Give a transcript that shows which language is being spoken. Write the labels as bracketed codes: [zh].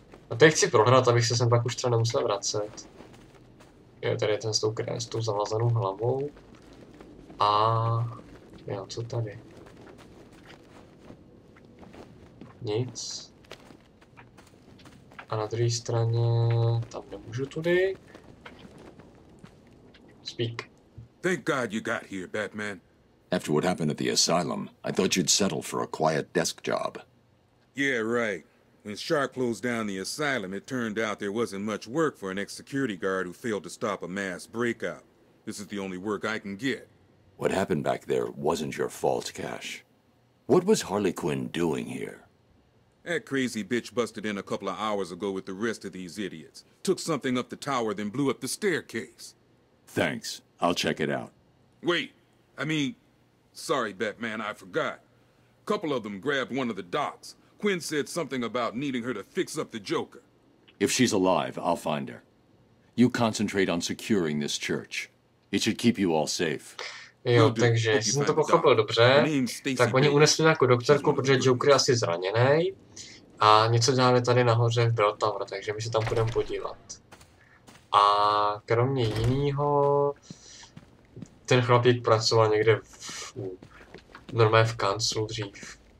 [cs] A teď chci prohrát, abych se sem pak už třeba nemusel vracet. Jo, tady je ten s tou zavázanou hlavou. A jo, co tady? Nic. A na druhé straně tam nemůžu tudy. [en] Speak. Thank God you got here, Batman. After what happened at the asylum, I thought you'd settle for a quiet desk job. Yeah, right. When Shark closed down the asylum, it turned out there wasn't much work for an ex-security guard who failed to stop a mass breakout. This is the only work I can get. What happened back there wasn't your fault, Cash. What was Harley Quinn doing here? That crazy bitch busted in a couple of hours ago with the rest of these idiots. Took something up the tower, then blew up the staircase. Thanks. I'll check it out. Wait. I mean, sorry, Batman, I forgot. A couple of them grabbed one of the docks. Quinn said something about needing her to fix up the Joker. If she's alive, I'll find her. You concentrate on securing this church. It should keep you all safe. [cs] Jo, takže jestli jsem to pochopil dobře, tak oni unesli nějakou doktorku, protože Joker je asi zraněný. A něco dělali tady nahoře v Bell Tower, takže my se tam půjdeme podívat. A kromě jiného, ten chlapík pracoval někde normálně v kanclu dřív.